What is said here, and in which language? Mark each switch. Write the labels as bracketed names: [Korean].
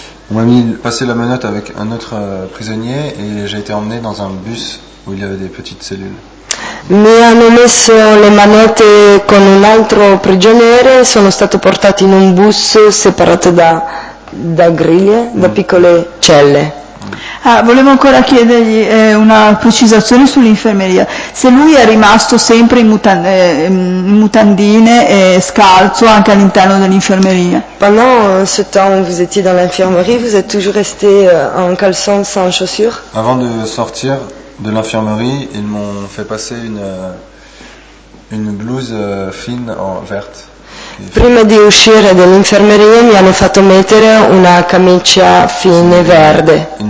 [French] On m'a mis passé la menotte avec un autre prisonnier et j'ai été emmené dans un bus où il y avait des petites cellules. [Italian] Mi hanno messo le manette con un altro prigioniero e sono stato portato in un bus separato da griglie, da piccole celle. Ah, volevo ancora chiedergli una precisazione sull'infermeria. Se lui è rimasto sempre in mutandine e scalzo anche all'interno dell'infermeria. [French] Pendant ce temps vous étiez dans l'infirmerie, vous êtes toujours resté en caleçon sans chaussures? Avant de sortir de l'infirmerie, ils m'ont fait passer une blouse fine en verte. [Italian] Prima di uscire dall'infermeria mi hanno fatto mettere una camicia fine verde.